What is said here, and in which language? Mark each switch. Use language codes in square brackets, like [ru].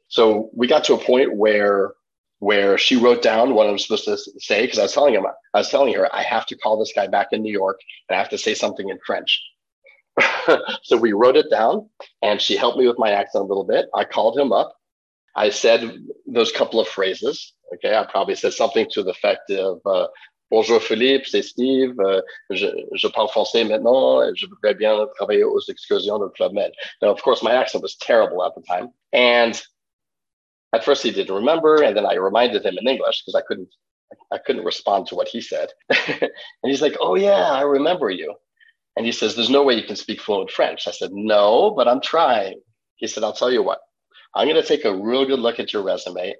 [en] So we got to a point where she wrote down what I was supposed to say, because I was telling her, I have to call this guy back in New York and I have to say something in French. So we wrote it down and she helped me with my accent a little bit. I called him up. I said those couple of phrases. Okay, I probably said something to the effect of, [fr] Bonjour Philippe, c'est Steve. Je parle français maintenant. Et je voudrais bien travailler aux excursions de Club Med. [en] Now, of course, my accent was terrible at the time. And at first he didn't remember. And then I reminded him in English because I couldn't respond to what he said. And he's like, oh yeah, I remember you. And he says, there's no way you can speak fluent French. I said, no, but I'm trying. He said, I'll tell you what. I'm going to take a real good look at your resume.